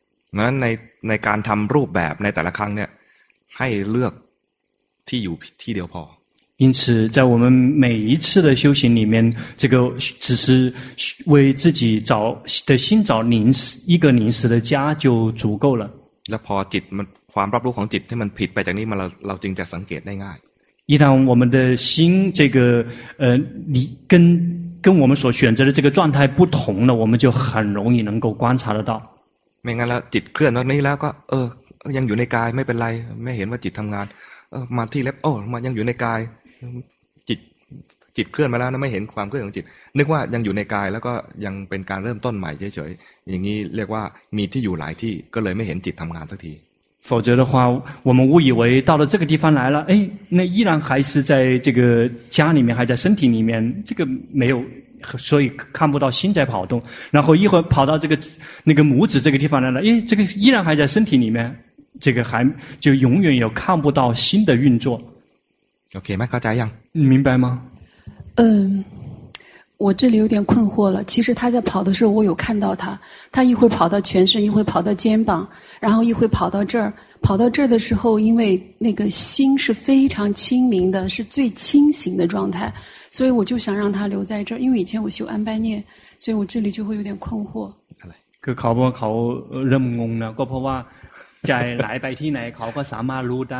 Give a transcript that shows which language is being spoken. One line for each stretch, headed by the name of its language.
Chinese: 那
Thai: ในการทำรูปแบบในแต่ละครั้งเนี่ยให้เลือกที่อยู่ที่เดียวพอ
Chinese: 因此在我们每一次的修行里面这个只是为自己找的心找临时一个临时的家就足够了
Thai: และพอจิตมันความรับรู้ของจิตที่มันผิดไปจากนี้มันเราจึงจะสังเกตได้ง่าย
Chinese: 一旦我们的心这个你跟我们所选择的这个状态不同了我们就很容易能够观察得到
Thai: ไม่งั้นแล้วจิตเคลื่อนตอนนี้แล้วก็ยังอยู่ในกายไม่เป็นไรไม่เห็นว่าจิตทำงานมาที่เล็บโอ้มายังอยู่ในกายจิตเคลื่อนมาแล้วนะไม่เห็นความเคลื่อนของจิตนึกว่ายังอยู่ในกายแล้วก็ยังเป็นการเริ่มต้นใหม่เฉยๆอย่างนี้เรียกว่ามีที่อยู่หลายที่ก็เลยไม่เห็นจิตทำงานสักที
Chinese: 否则的话我们误以为到了这个地方来了哎那依然还是在这个家里面还在身体里面这个没有所以看不到心在跑动然后一会跑到这个那个拇指这个地方来了哎这个依然还在身体里面这个还就永远有看不到新的运作。 OK， 麦克怎样？你明白吗？我这里有点困惑了。其实他在跑的时候，我有看到他，他一会跑到全身，一会跑到肩膀，然后一会跑到这儿。跑到这儿的时候，因为那个心是非常清明的，是最清醒的状态，所以我就想让他留在这儿。因为以前我修安般念，所以我这里就会有点困惑。佢考不考任功呢？个破话。
Thai: ใจไหลไปที่ไหนเขาก็สามารถรู้ได